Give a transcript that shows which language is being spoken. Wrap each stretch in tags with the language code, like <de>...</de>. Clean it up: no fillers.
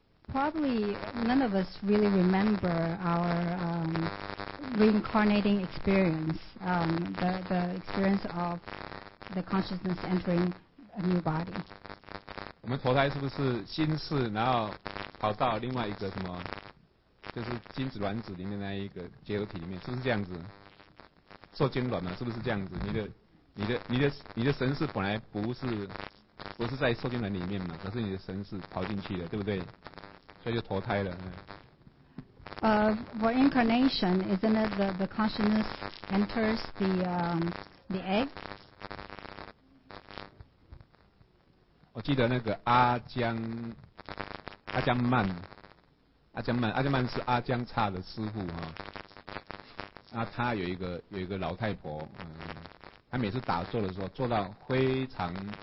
<en>Probably none of us really remember our reincarnating experience, the experience of the consciousness entering a new body.</en> <zh>我们投胎是不是心事，然后跑到另外一个什么，就是精子卵子里面那一个结合体里面，是不是这样子？受精卵嘛，是不是这样子？你的神识本来不是在受精卵里面嘛，可是你的神识跑进去了，对不对？所以就投胎了。</zh> <en>For incarnation, isn't it the consciousness enters the egg?</en> <zh>我记得那个阿江曼是阿江叉的师父哈，那他有一个老太婆，他每次打坐的时候，坐到非常</zh>